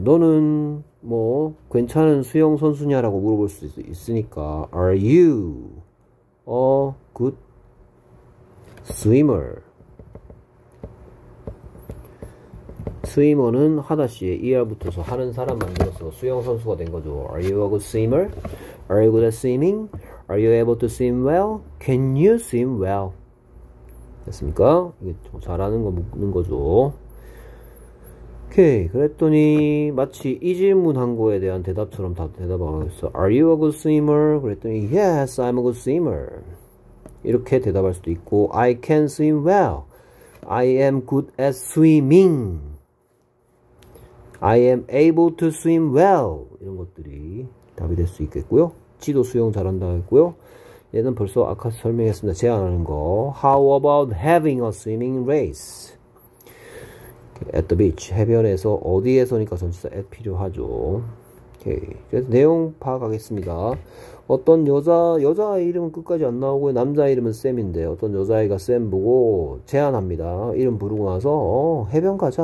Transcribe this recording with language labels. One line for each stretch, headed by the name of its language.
Korean: 너는 뭐 괜찮은 수영 선수냐라고 물어볼 수 있으니까
English: Are you a good swimmer?
Korean: 스위머는 하다시 ER부터서 하는 사람 만들어서 수영선수가 된 거죠.
English: Are you a good swimmer? Are you good at swimming? Are you able to swim well? Can you swim well?
Korean: 됐습니까? 이게 좀 잘하는 거 묻는 거죠. 오케이. 그랬더니 마치 이 질문한 거에 대한 대답처럼 다 대답하겠어.
English: Are you a good swimmer?
Korean: 그랬더니
English: Yes, I'm a good swimmer.
Korean: 이렇게 대답할 수도 있고
English: I can swim well. I am good at swimming. I am able to swim well.
Korean: 이런 것들이 답이 될 수 있겠고요. 지도 수영 잘한다 했고요. 얘는 벌써 아까 설명했습니다. 제안하는 거.
English: How about having a swimming race? At the beach.
Korean: 해변에서 어디에서니까 전치사 at 필요하죠. 오케이. 그래서 내용 파악하겠습니다. 어떤 여자 이름은 끝까지 안 나오고 남자 이름은 샘인데 어떤 여자아이가 샘 보고 제안합니다. 이름 부르고 나서 해변 가자.